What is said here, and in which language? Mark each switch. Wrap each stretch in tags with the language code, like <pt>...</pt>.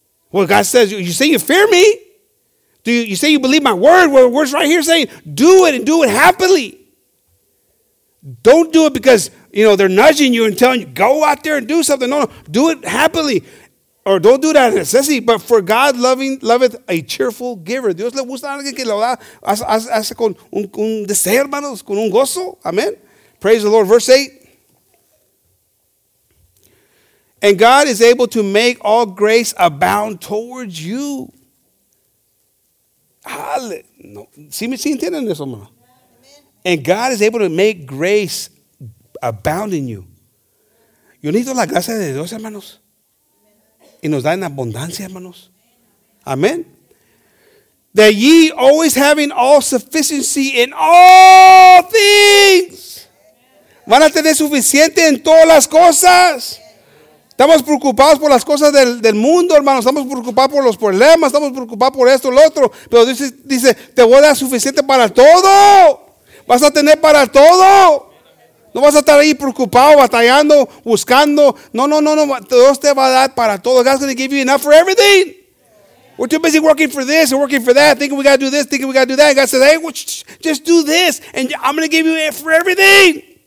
<en>Well, God says, you say you fear me. Do you say you believe my word? Well, the word's right here saying, do it and do it happily. Don't do it because, you know, they're nudging you and telling you, go out there and do something. No, do it happily. Or don't do that necessity, but for God loveth a cheerful giver.</en> <es>Dios le gusta a alguien que lo da, hace con un deseo, hermanos, con un gozo.</es> <en>Amen. Praise the Lord. Verse 8. And God is able to make all grace abound towards you.</en> <es>¿Sí entienden eso, hermano?</es> <en>And God is able to make grace abound in you.</en> <es>Yo necesito la gracia de Dios, hermanos. Y nos da en abundancia, hermanos. Amén.</es> <en>That ye always having all sufficiency in all things.</en> <es>Van a tener suficiente en todas las cosas. Estamos preocupados por las cosas del mundo, hermanos. Estamos preocupados por los problemas. Estamos preocupados por esto y lo otro. Pero dice, te voy a dar suficiente para todo. Vas a tener para todo. No vas a estar ahí preocupado, batallando, buscando. No. Dios te va a dar para todo.</es> <en>God's going to give you enough for everything. We're too busy working for this and working for that, thinking we got to do this, thinking we got to do that. God says, hey, just do this, and I'm going to give you it for everything.</en>